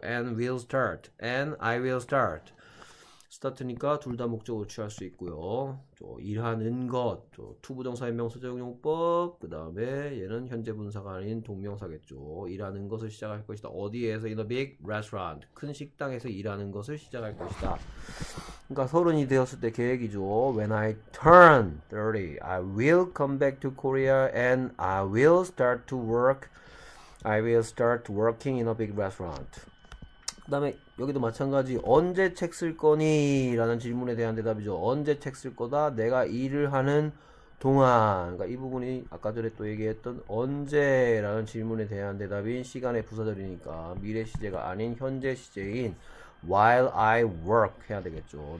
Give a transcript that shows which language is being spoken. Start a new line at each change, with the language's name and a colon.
English: And will start. And I will start.
Korean: start니까 둘다 목적으로 취할 수 있고요. 저 일하는 것. 저 to 부정사 현명사 적용법. 그다음에 얘는 현재 분사가 아닌 동명사겠죠. 일하는 것을 시작할 것이다. 어디에서?
English: In a big restaurant.
Korean: 큰 식당에서 일하는 것을 시작할 것이다. 그러니까 서른이 되었을 때 계획이죠.
English: When I turn 30, I will come back to Korea and I will start to work. I will start working in a big restaurant.
Korean: 그다음에 여기도 마찬가지 언제 책쓸 거니? 라는 질문에 대한 대답이죠. 언제 책쓸 거다? 내가 일을 하는 동안. 그러니까 이 부분이 아까 전에 또 얘기했던 언제라는 질문에 대한 대답인 시간에 부사절이니까 미래 시제가 아닌 현재 시제인
English: while I work
Korean: 해야 되겠죠.